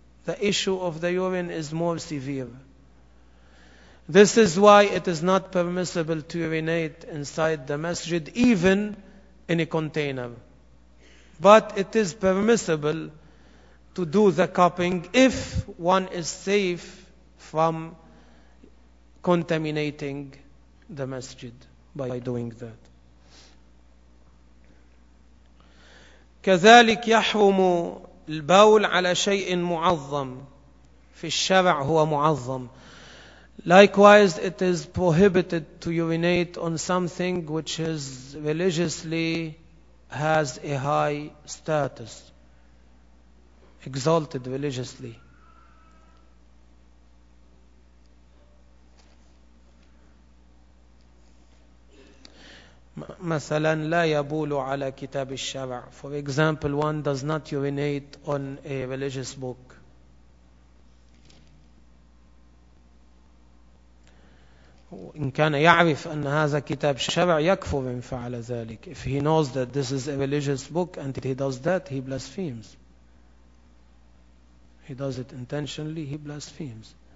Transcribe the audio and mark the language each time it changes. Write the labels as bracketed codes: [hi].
[en] The issue of the urine is more severe. This is why it is not permissible to urinate inside the masjid, even in a container. But it is permissible to do the cupping if one is safe from contaminating the masjid by doing that. [ar] كذلك يحرم البول على شيء معظم في الشرع هو معظم. [en] Likewise, it is prohibited to urinate on something which is religiously has a high status, exalted religiously. [ar] مثلا لا يبول على كتاب الشرع. [en] For example, one does not urinate on a religious book. [ar] إن كان يعرف أن هذا كتاب الشرع يكفر إن فعل ذلك. [en] If he knows that this is a religious book and he does that, he blasphemes. He does it intentionally, he blasphemes.